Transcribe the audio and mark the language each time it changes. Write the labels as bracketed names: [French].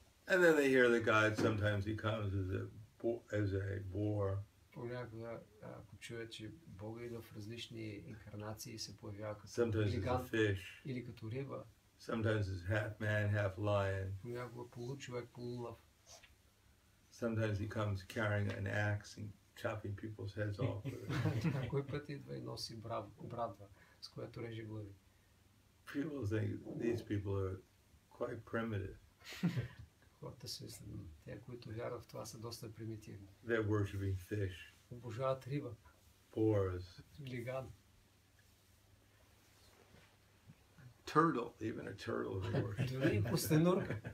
[English] And then they hear that God sometimes he comes as a boar. [Bulgarian] Понякога, ако чуя, че Бог идва в различни инкарнации и се появява като [English] sometimes [Bulgarian] гигант [English] fish, [Bulgarian] или като риба. [English] Sometimes it's half man, half lion. [Bulgarian] Понякога, получовек, полулъв. [English] Sometimes he comes carrying an axe and chopping people's heads off. [Bulgarian] Кой път идва и носи брадва, с която реже глави. [English] People think these people are quite primitive. [Bulgarian] Хората се мислят, те, които вярват в това, са доста примитивни. [English] They're worshiping fish. [Bulgarian] Обожават риба. [English] Boars. [Bulgarian] Лиган. [English] Turtle, even a turtle of yours.